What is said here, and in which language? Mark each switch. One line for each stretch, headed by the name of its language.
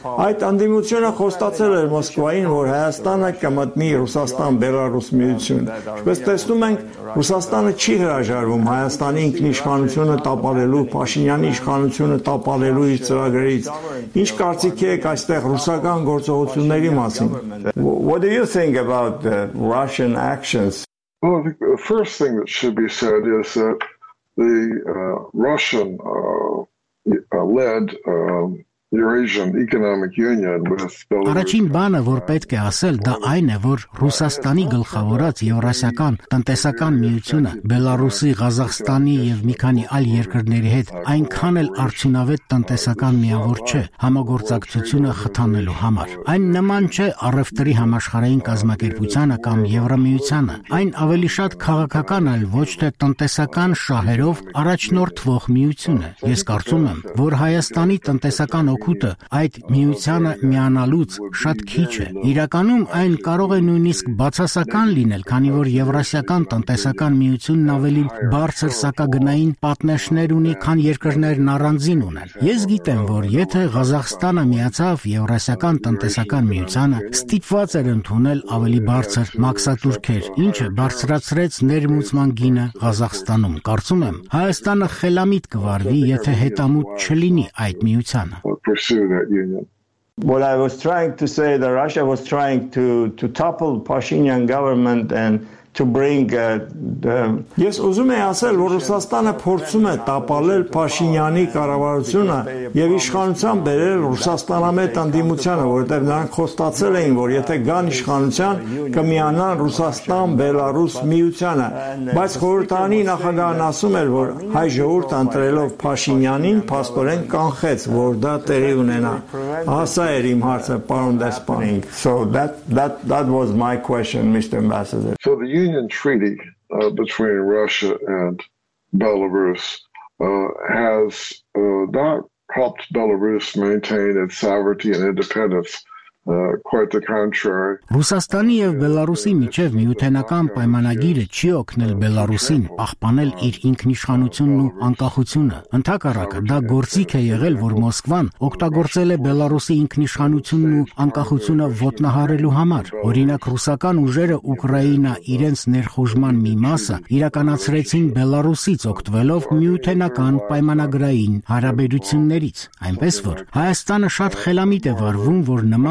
Armenian: Այդ ընդդիմությունը խոստացել էր Մոսկվային, որ Հայաստանը կմտնի Ռուսաստան-Բելարուս միություն։ Ինչպես տեսնում ենք, Ռուսաստանը չի հրաժարվում Հայաստանի ինքնիշխանությունը տապալելու, Փաշինյանի իշխանությունը տապալելու իր ծրագրերից։ Ինչ կարծիք եք այստեղ ռուսական գործողությունների մասին?
English: Think about the Russian actions. Well, I think the first thing that should be said is that the Russian led Eurasian Economic Union with Belarus.
Armenian: Առաջին բանը, որ պետք է ասել, դա այն է, որ Ռուսաստանի գլխավորած Եվրասիական տնտեսական միությունը Բելարուսի, Ղազախստանի եւ մի քանի այլ երկրների հետ այնքան էլ արդյունավետ տնտեսական միավոր չէ համագործակցությունը խթանելու համար։ Այն նման չէ առևտրի համաշխարհային կազմակերպությանը կամ Եվրամիությանը։ Այն ավելի շատ քաղաքական, այլ ոչ թե տնտեսական շահերով առաջնորդվող միություն է։ Ես կարծում եմ, որ Հայաստանի տնտեսական օգուտը այդ միությանը միանալուց շատ քիչ է։ Իրականում այն կարող է նույնիսկ բացասական լինել, քանի որ Եվրասիական տնտեսական միությունն ավելի բարձր սակագնային պատնեշներ ունի, քան երկրներն առանձին ունեն։ Ես գիտեմ, որ եթե Ղազախստանը միացավ Եվրասիական տնտեսական միությանը, ստիպված էր ընդունել ավելի բարձր մակսատուրքեր, ինչը բարձրացրեց ներմուծման գինը Ղազախստանում։ Կարծում եմ, Հայաստանը խելամիտ կվարվի, եթե հետամուտ չլինի այդ միության
English: or pursue that union. What I was trying to say, that Russia was trying to topple Pashinyan government and to bring the Yes,
Armenian: ուզում եմ ասել, որ Ռուսաստանը փորձում է տապալել Փաշինյանի կառավարությունը եւ իշխանության բերել Ռուսաստանամետ անդիմությանը, որտեղ նրանք խոստացել էին, որ եթե գան իշխանության, կմիանան Ռուսաստան-Բելարուս միությանը, բայց խորհրդանի նախագահն ասում էր, որ հայ ժողովուրդը ընտրելով Փաշինյանին փաստորեն կանխեց, որ դա տեղի ունենա։ Հասա էր իմ հարցը, պարոն դեսպան։
English: So that was my question, Mr. Ambassador. The Union Treaty between Russia and Belarus has not helped Belarus maintain its sovereignty and independence. Quite the contrary.
Armenian: Ռուսաստանի եւ Բելարուսի միջև միութենական պայմանագիրը չի օգնել Բելարուսին պահպանել իր ինքնիշխանությունն ու անկախությունը։ Ընդհակառակը, դա գործիք է եղել, որ Մոսկվան օգտագործել է Բելարուսի ինքնիշխանությունն ու անկախությունը ոտնահարելու համար։ Օրինակ, ռուսական ուժերը Ուկրաինա իրենց ներխուժման մի մասը իրականացրեցին Բելարուսից օգտվելով միութենական պայմանագրային հարաբերություններից։ Այնպես որ Հայաստանը շատ խելամիտ է վարվում, որ